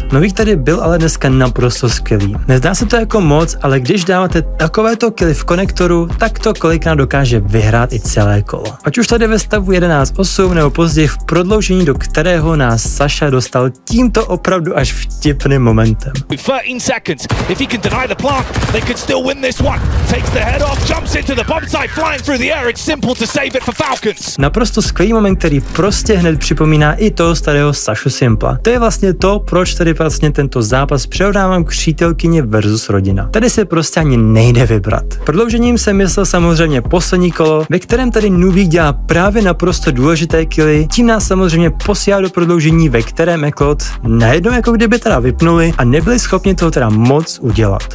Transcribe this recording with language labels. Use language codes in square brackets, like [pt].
[cs] Nových tady byl ale dneska naprosto skvělý. Nezdá se to jako moc, ale když dáváte takovéto killy v konektoru, tak to kolikrát dokáže vyhrát i celé kolo. Ať už tady ve stavu 11-8 nebo později v prodloužení, do kterého nás Saša dostal tímto opravdu až vtipným momentem. [en] 13 seconds. If he can deny the plant, they could still win this one. Takes the head off, jumps into the bomb site, flying through the air. It's simple to save it for Falcons. [cs] Naprosto skvělý moment, který prostě hned připomíná i toho starého Sašu Simpla. To je vlastně to, proč tady vlastně tento zápas přehodávám k přítelkyně versus rodina. Tady se prostě ani nejde vybrat. Prodloužením jsem myslel samozřejmě poslední kolo, ve kterém tady Nubík dělá právě naprosto důležité killy, tím nás samozřejmě posílá do prodloužení, ve kterém Eklot najednou jako kdyby teda vypnuli a nebyli schopni toho teda moc udělat.